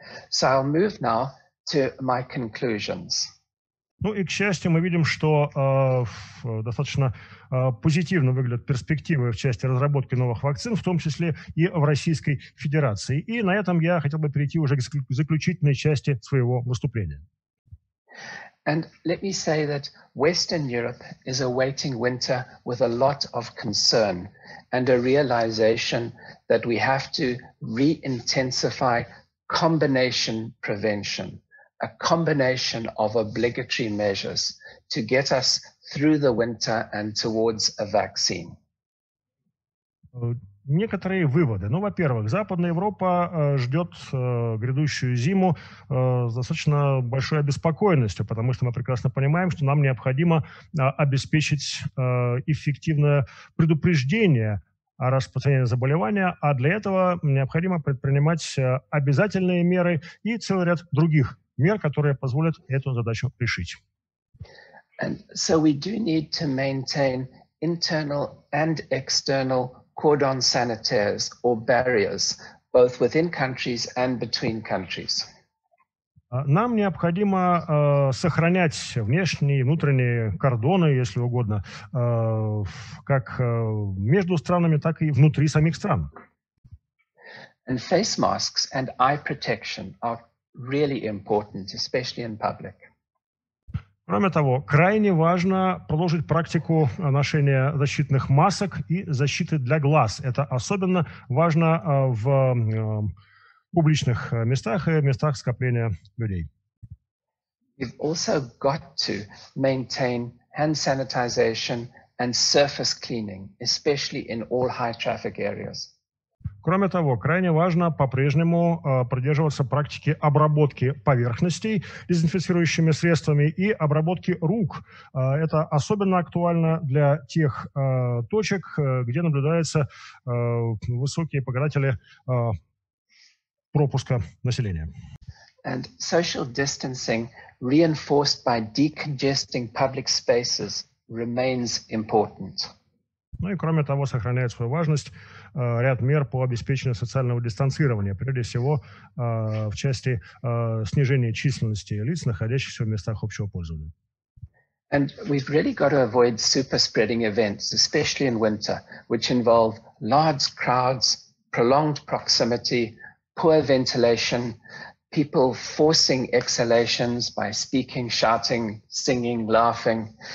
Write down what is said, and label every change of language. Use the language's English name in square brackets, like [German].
[English] So I'll move now to my conclusions. [Russian] Ну и к счастью, мы видим, что достаточно позитивно выглядят перспективы в части разработки новых вакцин, в том числе и в Российской Федерации. И на этом я хотел бы перейти уже к заключительной части своего выступления. [English] And let me say that Western Europe is awaiting winter with a lot of concern and a realization that we have to re-intensify combination prevention, a combination of obligatory measures to get us through the winter and towards a vaccine. [Russian] Некоторые выводы. Ну, во-первых, Западная Европа ждет грядущую зиму с достаточно большой обеспокоенностью, потому что мы прекрасно понимаем, что нам необходимо обеспечить эффективное предупреждение о распространении заболевания, а для этого необходимо предпринимать обязательные меры и целый ряд других мер, которые позволят эту задачу решить. [English] And so we do need to maintain internal and external cordon sanitaires or barriers, both within countries and between countries. [Russian] Нам необходимо сохранять внешние и внутренние кордоны, если угодно, как между странами, так и внутри самих стран. [English] And face masks and eye protection are really important, especially in public. [Russian] Кроме того, крайне важно продолжить практику ношения защитных масок и защиты для глаз. Это особенно важно в публичных местах и местах скопления людей. [English] We've also got to maintain hand sanitization and surface cleaning, especially in all high traffic areas. [Russian] Кроме того, крайне важно по-прежнему придерживаться практики обработки поверхностей дезинфицирующими средствами и обработки рук. Это особенно актуально для тех точек, где наблюдаются высокие показатели пропуска населения. [English] And social distancing, reinforced by decongesting public spaces, remains important. [Russian] Ну и кроме того, сохраняет свою важность ряд мер по обеспечению социального дистанцирования, прежде всего в части снижения численности лиц, находящихся в местах общего пользования. [English] And we've really got to avoid super spreading events, especially in winter, which involve large crowds, prolonged proximity, poor ventilation, people forcing exhalations by speaking, shouting, singing, laughing.